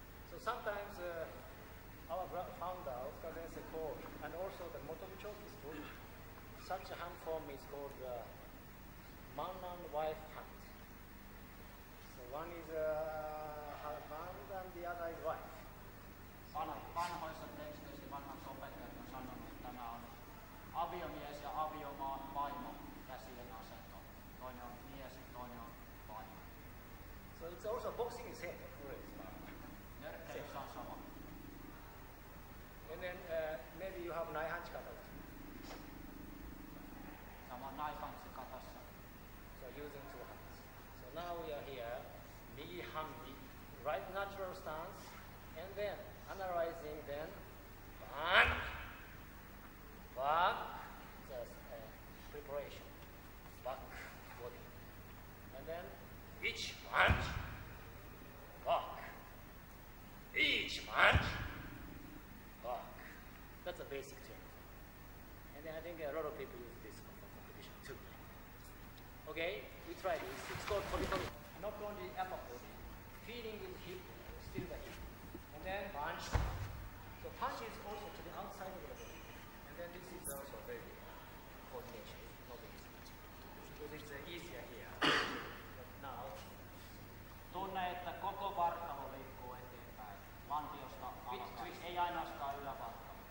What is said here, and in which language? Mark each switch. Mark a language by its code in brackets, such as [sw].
[en] So sometimes our founder, Oscar Sensei, called, and also the Motobu Chokis book, such a hand form is called man and wife hand. So one is husband and the other is wife. [fi] Vanhoissa teksteissä vanhat opettajat on sanonut, että tämä on aviomies ja aviomaan vaimo käsien asento. Toinen on mies ja toinen on vaimo. [en] So it's also boxing is head, of course. [fi] Nörkkeissä on sama. [en] And then maybe you have naihanchi katalla. [fi] Sama naihanchi katassa. [en] So using two hands. So now we are here, mihi hanmi, right natural stance, and then analyzing then, back, back, just preparation, back, body. And then each punch, back, each punch, back. That's a basic thing. And then I think a lot of people use this for competition too. Okay, we try this. It's called polytomy. Not only upper body, feeling in hip, still the hip. And then punch. So punch is also to the outside of the body. And then this is also very coordination, not easy. Because it's easier here. But now. [fi] Tunne, että koko vartalo liikkuu eteenpäin. Mantiosta alkaen. Ei ainoastaan ylävartalo.